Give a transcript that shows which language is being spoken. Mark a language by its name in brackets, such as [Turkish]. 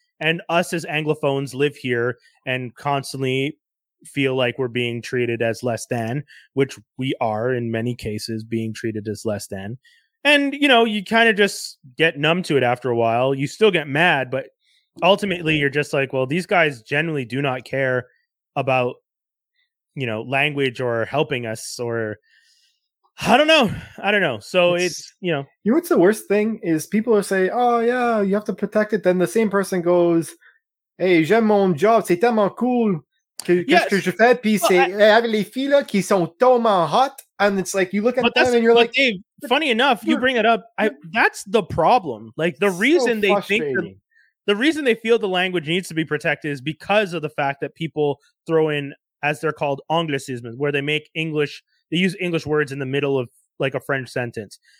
[English] And us as Anglophones live here and constantly feel like we're being treated as less than, which we are in many cases being treated as less than. And, you kind of just get numb to it after a while. You still get mad, but ultimately you're just like, well, these guys generally do not care about language or helping us, or I don't know. So it's what's the worst thing is people are saying, oh yeah, you have to protect it, then the same person goes, hey, [French] j'aime mon job, c'est tellement cool, qu'est-ce que je fais, puis c'est avec les filles qui sont tellement hot. [English] And it's like, you look at them and you're like, Dave, funny enough, you bring it up, that's the problem. Like, the reason they feel the language needs to be protected is because of the fact that people throw in, as they're called, anglicism, where they make English, they use English words in the middle of like a French sentence.